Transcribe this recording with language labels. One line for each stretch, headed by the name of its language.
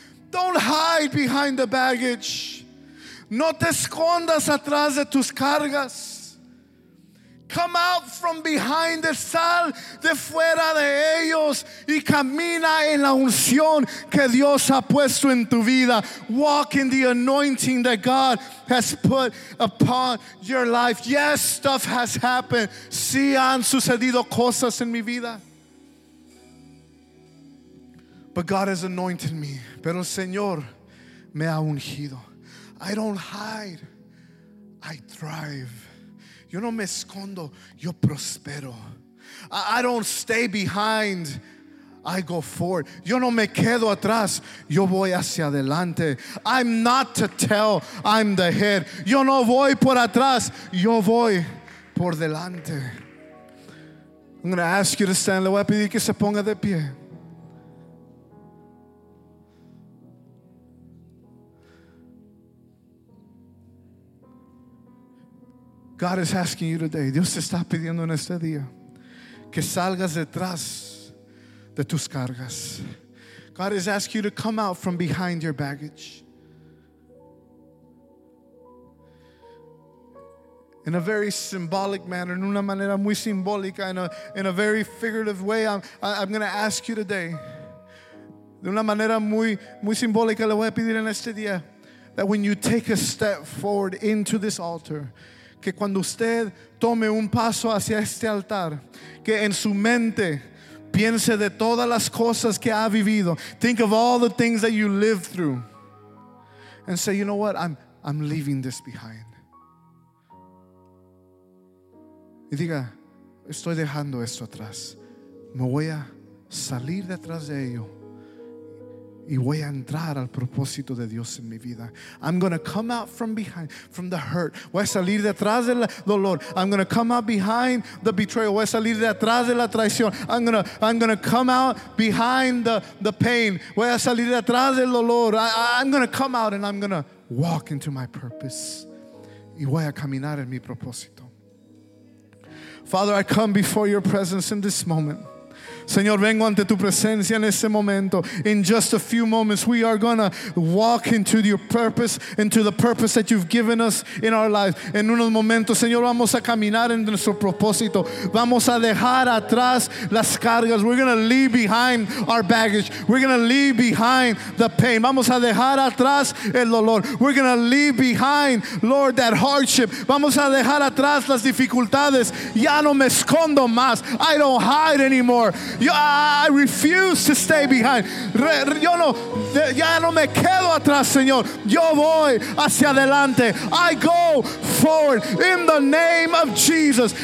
English: Don't hide behind the baggage.
Spanish: No te escondas atrás de tus cargas.
English: Come out from behind the sal
Spanish: de fuera de ellos y camina en la unción que Dios ha puesto en tu vida.
English: Walk in the anointing that God has put upon your life. Yes, stuff has happened.
Spanish: Sí, han sucedido cosas en mi vida.
English: But God has anointed me.
Spanish: Pero el Señor me ha ungido.
English: I don't hide. I thrive.
Spanish: Yo no me escondo, yo prospero.
English: I don't stay behind, I go forward.
Spanish: Yo no me quedo atrás, yo voy hacia adelante.
English: I'm not to tell, I'm the head.
Spanish: Yo no voy por atrás, yo voy por delante.
English: I'm going to ask you to stand.
Spanish: Le voy a pedir que se ponga de pie.
English: God is asking you today.
Spanish: Dios te está pidiendo en este día que salgas detrás de tus cargas.
English: God is asking you to come out from behind your baggage. In a very symbolic manner,
Spanish: en una manera muy simbólica,
English: in a very figurative way, I'm going to ask you today.
Spanish: De una manera muy muy simbólica le voy a pedir en este día
English: that when you take a step forward into this altar,
Spanish: que cuando usted tome un paso hacia este altar, que en su mente piense de todas las cosas que ha vivido.
English: Think of all the things that you lived through. And say, you know what? I'm leaving this behind.
Spanish: Y diga, estoy dejando esto atrás. Me voy a salir detrás de ello. Y voy a entrar al propósito de Dios en mi vida.
English: I'm going to come out from behind, from the hurt.
Spanish: Voy a salir detrás del dolor.
English: I'm going to come out behind the betrayal.
Spanish: Voy a salir detrás de la traición.
English: I'm going to come out behind the pain.
Spanish: Voy a salir detrás del dolor.
English: I'm going to come out and I'm going to walk into my purpose.
Spanish: Y voy a caminar en mi propósito.
English: Father, I come before your presence in this moment.
Spanish: Señor, vengo ante tu presencia en este momento.
English: In just a few moments, we are going to walk into your purpose, into the purpose that you've given us in our lives.
Spanish: En unos momentos, Señor, vamos a caminar en nuestro propósito. Vamos a dejar atrás las cargas.
English: We're going to leave behind our baggage. We're going to leave behind the pain.
Spanish: Vamos a dejar atrás el dolor.
English: We're going to leave behind, Lord, that hardship.
Spanish: Vamos a dejar atrás las dificultades. Ya no me escondo más.
English: I don't hide anymore. I refuse to stay behind.
Spanish: Yo no, ya no me quedo atrás, Señor. Yo voy hacia adelante.
English: I go forward in the name of Jesus.